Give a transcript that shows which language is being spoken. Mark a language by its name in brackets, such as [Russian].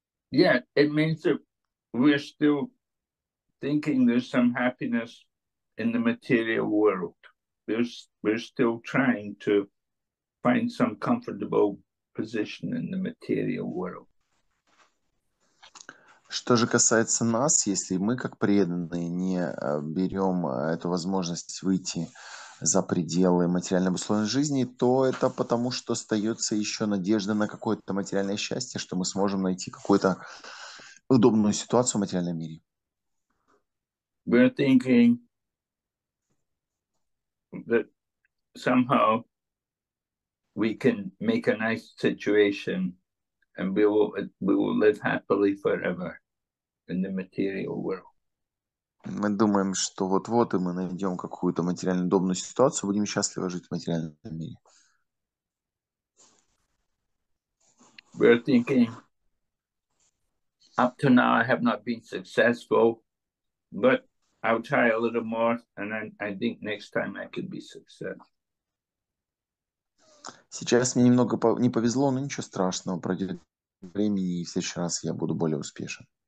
[English] Yeah, it means that we're still thinking there's some happiness in the material world. We're still trying to find some comfortable position in the material world. [Russian] Что же касается нас, если мы, как преданные, не берем эту возможность выйти за пределы материальной обусловленной жизни, то это потому, что остается еще надежда на какое-то материальное счастье, что мы сможем найти какую-то удобную ситуацию в материальном мире. [English] We're thinking that somehow we can make a nice situation and we will live happily forever. In the material world. [Russian] Мы думаем, что вот-вот и мы найдем какую-то материально удобную ситуацию, будем счастливо жить в материальном мире. [English] We're thinking, up to now I have not been successful, but I'll try a little more, and I think next time I could be successful. [Russian] Сейчас мне немного не повезло, но ничего страшного, пройдет времени, и в следующий раз я буду более успешен.